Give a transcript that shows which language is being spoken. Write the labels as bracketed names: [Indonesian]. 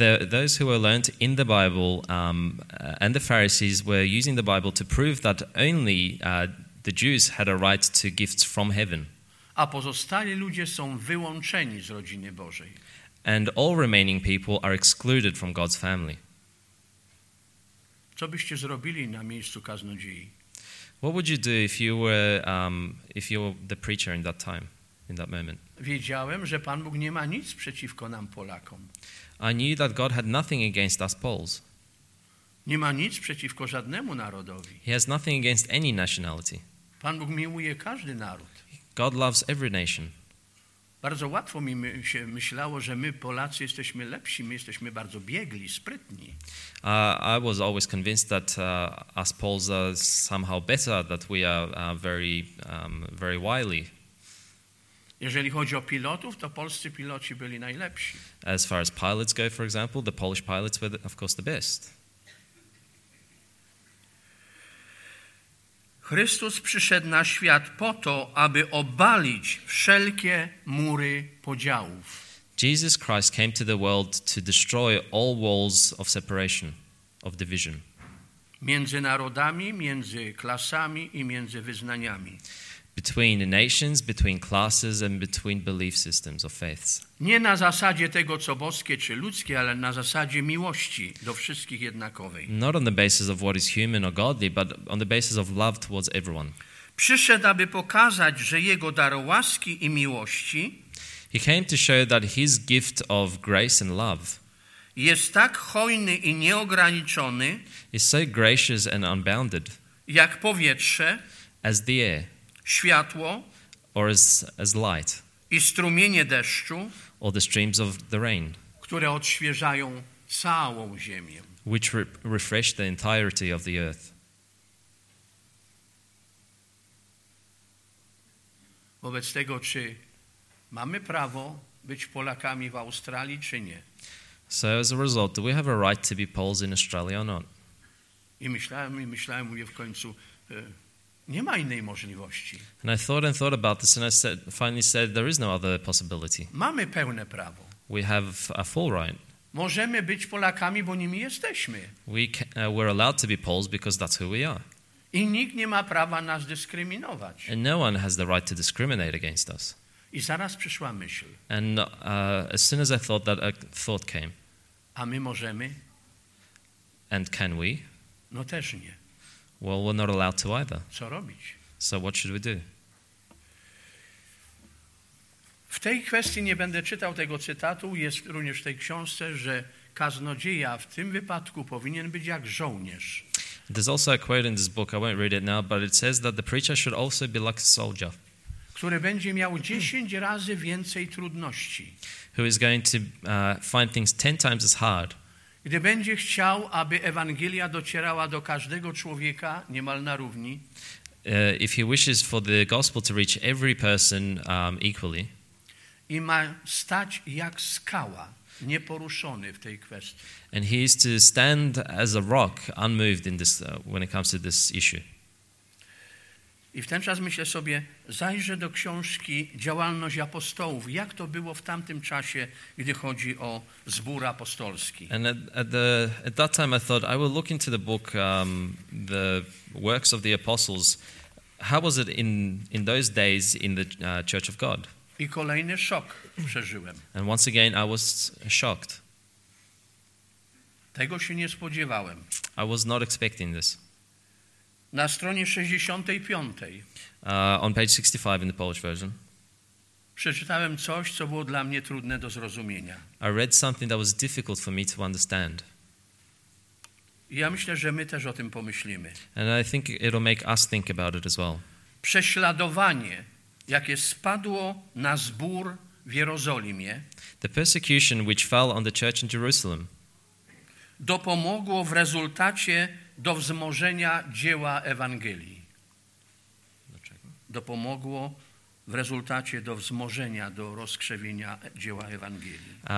[English] Those who were learned in the Bible and the Pharisees were using the Bible to prove that only the Jews had a right to gifts from heaven. [Polish] A pozostali ludzie są wyłączeni z rodziny Bożej. [English] And all remaining people are excluded from God's family. [Polish] Co byście zrobili na miejscu kaznodziei? [English] What would you do if you were the preacher in that time, in that moment? [Polish] Wiedziałem, że Pan Bóg nie ma nic przeciwko nam Polakom. [English] I knew that God had nothing against us Poles. [Polish] Nie ma nic przeciwko żadnemu narodowi. [English] He has nothing against any nationality. [Polish] Pan Bóg miłuje każdy naród. [English] God loves every nation. [Polish] Bardzo łatwo mi się myślało, że my Polacy jesteśmy lepsi, my jesteśmy bardzo biegli, sprytni. [English] I was always convinced that us Poles are somehow better, that we are very wily. [Polish] Jeżeli chodzi o pilotów, to polscy piloci byli najlepsi. [English] As far as pilots go, for example, the Polish pilots were of course the best. [Polish] Chrystus przyszedł na świat po to, aby obalić wszelkie mury podziałów. [English] Jesus Christ came to the world to destroy all walls of separation, of division. [Polish] między narodami, między klasami i między wyznaniami. [English] Between nations, between classes and between belief systems or faiths. [Polish] Nie na zasadzie tego, co boskie czy ludzkie, ale na zasadzie miłości do wszystkich jednakowej. [English] Not on the basis of what is human or godly, but on the basis of love towards everyone. [Polish] Przyszedł, aby pokazać, że jego dar łaski i miłości [English] He came to show that his gift of grace and love [Polish] jest tak hojny i nieograniczony [English] is so gracious and unbounded [Polish] jak powietrze [English] as the air [Polish] światło [English] or as light [Polish] i strumienie deszczu [English] or the streams of the rain [Polish] które odświeżają całą ziemię [English] which refresh the entirety of the earth. [Polish] Wobec tego, czy mamy prawo być Polakami w Australii, czy nie? [English] So as a result, do we have a right to be Poles in Australia or not? [Polish] I myślałem, mówię w końcu, nie ma innej możliwości. [English] And I thought and thought about this and I said, finally said, there is no other possibility. [Polish] Mamy pełne prawo. [English] We have a full right. [Polish] Możemy być Polakami, bo nimi jesteśmy. [English] We're allowed to be Poles because that's who we are. [Polish] I nikt nie ma prawa nas dyskryminować. [English] And no one has the right to discriminate against us. [Polish] I zaraz przyszła myśl. [English] And as soon as I thought that, a thought came. [Polish] A my możemy? [English] And can we? [Polish] No też nie. [English] Well, we're not allowed to either. [Polish] Co robić? [English] So what should we do? [Polish] W tej kwestii nie będę czytał tego cytatu. Jest również w tej książce, że kaznodzieja w tym wypadku powinien być jak żołnierz. [English] There's also a quote in this book, I won't read it now, but it says that the preacher should also be like a soldier. [Polish] Który będzie miał 10 razy więcej trudności. [English] Who is going to find things 10 times as hard. [Polish] Gdy będzie chciał, aby Ewangelia docierała do każdego człowieka niemal na równi. [English] If he wishes for the gospel to reach every person equally. [Polish] I ma stać jak skała. Nieporuszony w tej kwestii. [English] And he is to stand as a rock, unmoved in this when it comes to this issue. [Polish] I w ten czas myślę sobie, zajrzę do książki Działalność apostołów. Jak to było w tamtym czasie, gdy chodzi o zbór apostolski. [English] And at that time I thought I will look into the book the works of the apostles. How was it in those days in the Church of God? [Polish] I kolejny szok przeżyłem. [English] And once again I was shocked. [Polish] Tego się nie spodziewałem. [English] I was not expecting this. [Polish] Na stronie 65. [English] On page 65 in the Polish version. [Polish] Przeczytałem coś, co było dla mnie trudne do zrozumienia. [English] I read something that was difficult for me to understand. [Polish] Ja myślę, że my też o tym pomyślimy. [English] And I think it'll make us think about it as well. [Polish] Prześladowanie jakie spadło na zbór w Jerozolimie, [English] the persecution which fell on the church in Jerusalem, [Polish] dopomogło w rezultacie do wzmożenia dzieła Ewangelii. Dlaczego? Dopomogło w rezultacie do wzmożenia, do rozkrzewienia dzieła Ewangelii.